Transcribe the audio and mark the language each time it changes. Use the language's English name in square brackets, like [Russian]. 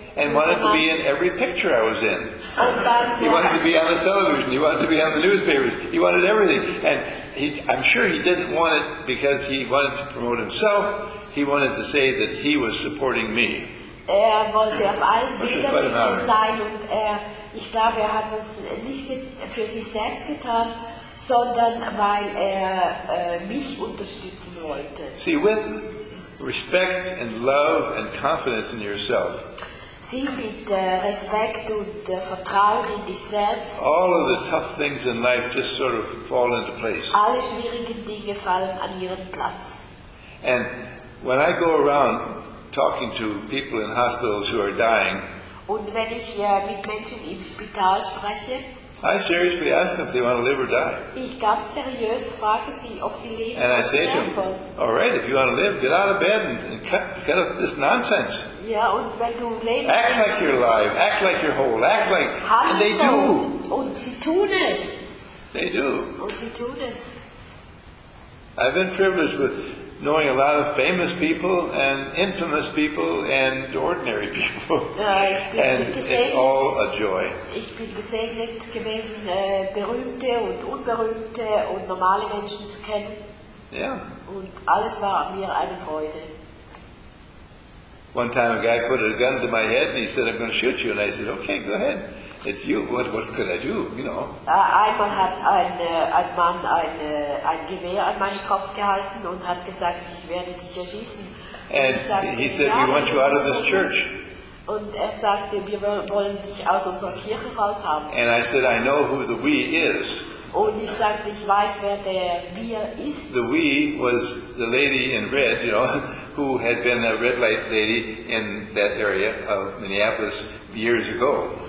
[English] and wanted to be in every picture I was in. [German] Und dann, [English] he wanted to be on the television, he wanted to be on the newspapers, he wanted everything. And I'm sure he didn't want it because he wanted to promote himself, he wanted to say that he was supporting me. [German] Er wollte auf allen Bildern sein und ich glaube, er hat das nicht für sich selbst getan, sondern weil er mich unterstützen wollte. [English] See, with respect and love and confidence in yourself. [German] Sieh, mit Respekt und Vertrauen in dich selbst. [English] All of the tough things in life just sort of fall into place. [German] Alle schwierigen Dinge fallen an ihren Platz. [English] And when I go around talking to people in hospitals who are dying. [German] Und wenn ich mit Menschen im Spital spreche, [English] I seriously ask them if they want to live or die. [German] Ich ganz seriös frage sie, ob sie leben oder [English] And I say to them, all right, if you want to live, get out of bed and cut up this nonsense. [German] Ja, und wenn du leben [English] Act [German] willst, [English] like you're alive. Act like you're whole. Act like. [German] Handeln [English] and they so. Do. [German] Und sie tun es. [English] They do. [German] Und sie tun es. [English] I've been privileged with knowing a lot of famous people and infamous people and ordinary people. And it's all a joy. [German] Ich bin gesegnet gewesen, berühmte und unberühmte und normale Menschen zu kennen. Yeah. Und alles war mir eine Freude. [English] One time a guy put a gun to my head and he said, I'm going to shoot you. And I said, okay, go ahead. It's you. What could I do? You know. [German] Einmal hat ein Mann ein Gewehr an meinen Kopf gehalten und hat gesagt, ich werde dich erschießen. [English] And he said, we want you out of this church. [German] Und er sagte, wir wollen dich aus unserer Kirche raus haben. [English] And I said, I know who the we is. [German] Und ich sagte, ich weiß, wer der wir ist. [English] The we was the lady in red, you know, who had been a red light lady in that area of Minneapolis years ago.